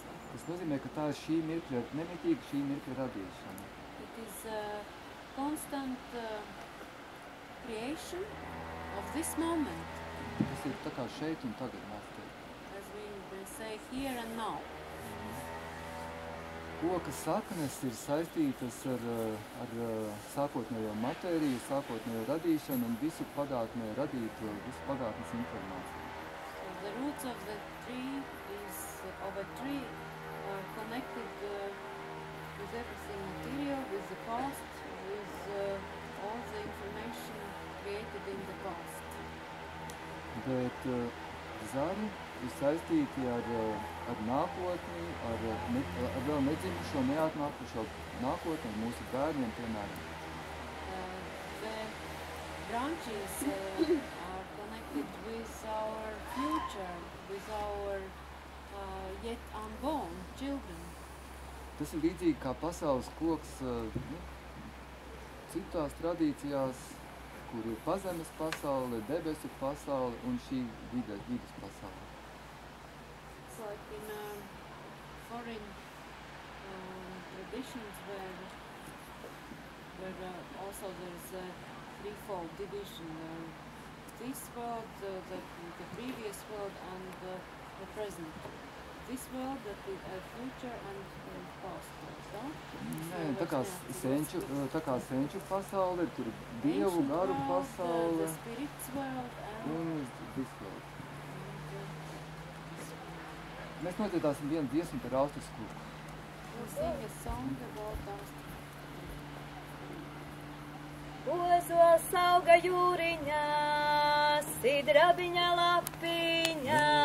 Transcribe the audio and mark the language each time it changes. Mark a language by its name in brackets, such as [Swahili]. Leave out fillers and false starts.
[Latvian] Tas nozīmē, ka tā ir šī mirkļa, nemitīga šī mirkļa radīšana. [English] It is a constant creation of this moment. [Latvian] Tas ir tā kā šeit un tagad, mēs teikt. [English] As we say here and now. [Latvian] Koka saknes ir saistītas ar, ar sākotnējo matēriju, sākotnējo radīšanu un visu pagātnē radītu, visu pagātnes informāciju. [English] So the roots of the tree is of a tree connected with everything material, with the past, with all the information created in the past. [Latvian] Bet zari ir saistīti ar, ar nākotni, ar, ar vēl nedzimušo, neatnākušo nākotni, ar mūsu bērniem, piemēram. [English] The branches are connected with our future, with our yet unborn children. [Latvian] Tas ir līdzīgi kā pasaules koks citās tradīcijās, kur ir pazemes pasaule, debesu pasaule un šī vidas pasaule. [English] It's like in foreign traditions where also there's a threefold division. This world, the previous world and the present. This world that is a future and past world, no? [Latvian] Nē, tā kā senču, pasaule, tur ir dievu, garu pasaule. [English] The spirits world and this world. [Latvian] Mēs nodziedāsim vienu dziesmu par Austras kopu. [English] We'll sing a song about Austras. [Latvian] Ozo sauga jūriņā, sidrabiņa lapiņā.